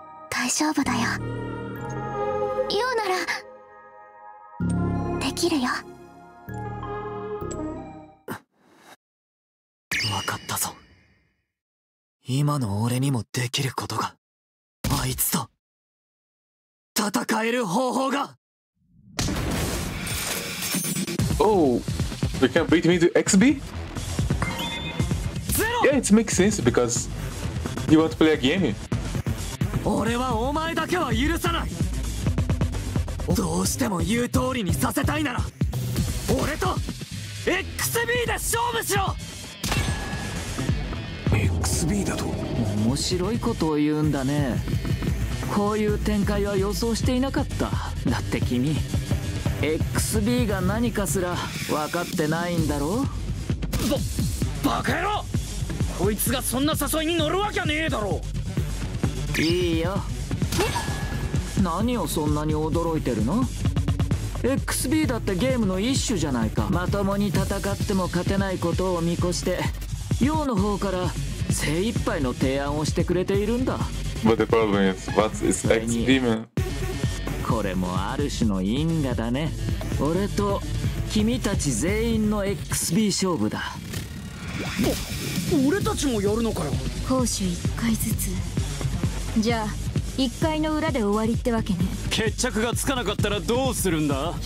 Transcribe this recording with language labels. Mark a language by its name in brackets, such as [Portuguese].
[Japanese] 大丈夫だよ、ようならできるよ。わかったぞ。今の俺にもできることが、あいつと戦える方法が。 [English] おお、oh, you can't beat me to XB? Yeah, it makes sense because you want to play a game. [Japanese] 俺はお前だけは許さない。どうしても言う通りにさせたいなら、俺と XB で勝負しろ。 XB だと。面白いことを言うんだね。こういう展開は予想していなかった。だって君、 XB が何かすら分かってないんだろう。バカ野郎、こいつがそんな誘いに乗るわけねえだろう。いいよ。何をそんなに驚いてるの。XB だってゲームの一種じゃないか。まともに戦っても勝てないことを見越して、ヨウの方から精一杯の提案をしてくれているんだ。 [English] But the problem is, what is XB, man? [Japanese] これもある種の因果だね。俺と君たち全員の XB 勝負だ。俺たちもやるのかよ。報酬1回ずつ。じゃあ1回の裏で終わりってわけね。決着がつかなかったらどうするんだ。